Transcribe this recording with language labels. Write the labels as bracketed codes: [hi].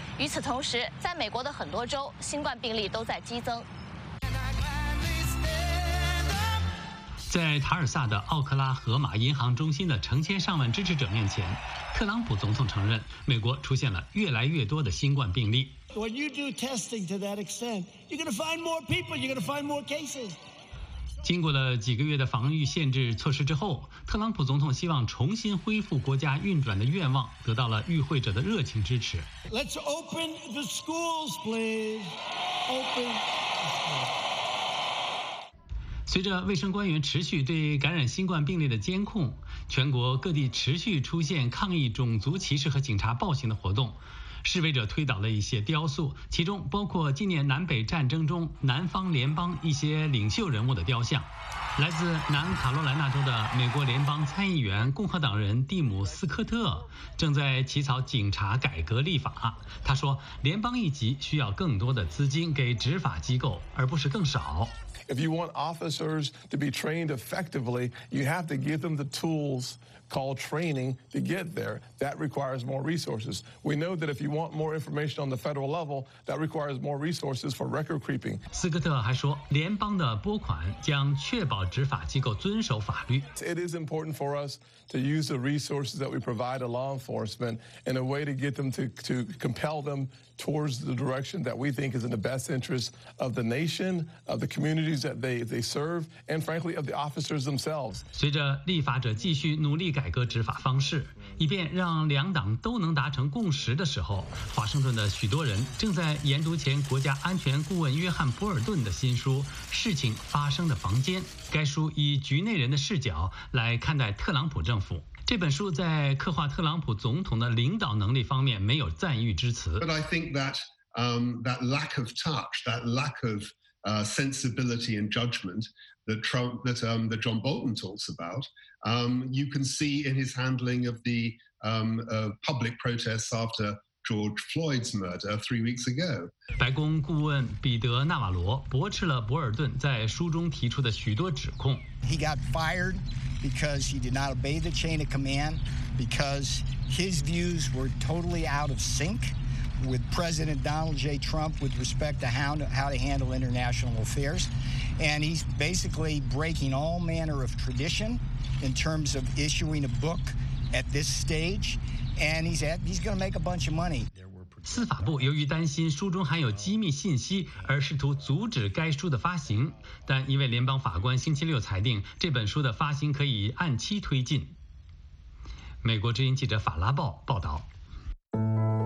[zh] 与此同时，在美国的很多州，新冠病例都在激增。在塔尔萨的奥克拉荷马银行中心的成千上万支持者面前，特朗普总统承认，美国出现了越来越多的新冠病例。 [en] When you do testing to that extent, you're going to find more people. You're going to find more cases. [zh] 经过了几个月的防御限制措施之后，特朗普总统希望重新恢复国家运转的愿望得到了与会者的热情支持。 [en] Let's open the schools, please. Open. [zh] 随着卫生官员持续对感染新冠病例的监控，全国各地持续出现抗议种族歧视和警察暴行的活动。示威者推倒了一些雕塑，其中包括今年南北战争中南方联邦一些领袖人物的雕像。来自南卡罗来纳州的美国联邦参议员共和党人蒂姆·斯科特正在起草警察改革立法。他说，联邦一级需要更多的资金给执法机构，而不是更少。 [en] If you want officers to be trained effectively, you have to give them the tools called training to get there. That requires more resources. We know that if you want more information on the federal level, that requires more resources for record keeping. [zh] 斯科特还说，联邦的拨款将确保执法机构遵守法律。 [en] It is important for us to use the resources that we provide to law enforcement in a way to get them to compel them. towards the direction that we think is in the best interest of the nation, of the communities that they serve, and frankly, of the officers themselves. [zh] 随着立法者继续努力改革执法方式，以便让两党都能达成共识的时候，华盛顿的许多人正在研读前国家安全顾问约翰·博尔顿的新书《事情发生的房间》。该书以局内人的视角来看待特朗普政府。这本书在刻画特朗普总统的领导能力方面没有赞誉之词。 [en] But I think that, that lack of touch, that lack of, sensibility and judgment that Trump, that, that John Bolton talks about, you can see in his handling of the, public protests after George Floyd's murder 3 weeks ago. [zh] 白宫顾问彼得·纳瓦罗驳斥了博尔顿在书中提出的许多指控。 [en] He got fired. Because he did not obey the chain of command, because his views were totally out of sync with President Donald J. Trump with respect to how to handle international affairs. And he's basically breaking all manner of tradition in terms of issuing a book at this stage. And he's going to make a bunch of money. [zh] 司法部由于担心书中含有机密信息而试图阻止该书的发行，但一位联邦法官星期六裁定这本书的发行可以按期推进。美国之音记者法拉报报道。